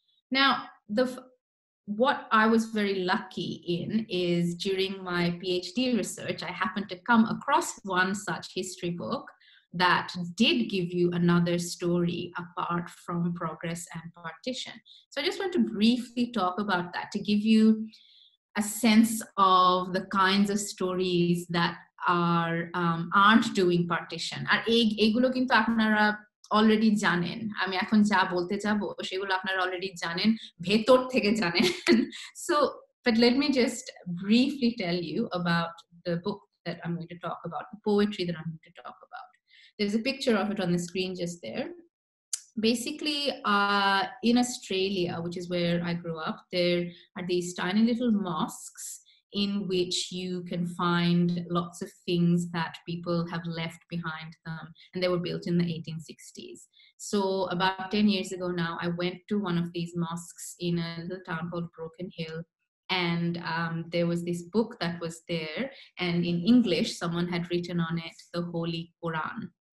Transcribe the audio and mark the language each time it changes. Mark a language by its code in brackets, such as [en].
[en] Now, what I was very lucky in is during my PhD research, I happened to come across one such history book that did give you another story apart from progress and partition. So I just want to briefly talk about that to give you a sense of the kinds of stories that aren't doing partition. [bn] আর এইগুলো কিন্তু আপনারা already জানেন, আমি এখন যা বলতে যাব সেগুলো আপনারা অলরেডি জানেন, ভেতর থেকে জানেন। [en] So but let me just briefly tell you about the book that I am going to talk about, the poetry that I am going to talk about. There is a picture of it on the screen just there. Basically in Australia, which is where I grow up, there are this tiny little mosques in which you can find lots of things that people have left behind them, and they were built in the 1860s. So about 10 years ago now, I went to one of these mosques in a little town called Broken Hill, and there was this book that was there, and in English someone had written on it the Holy Quran.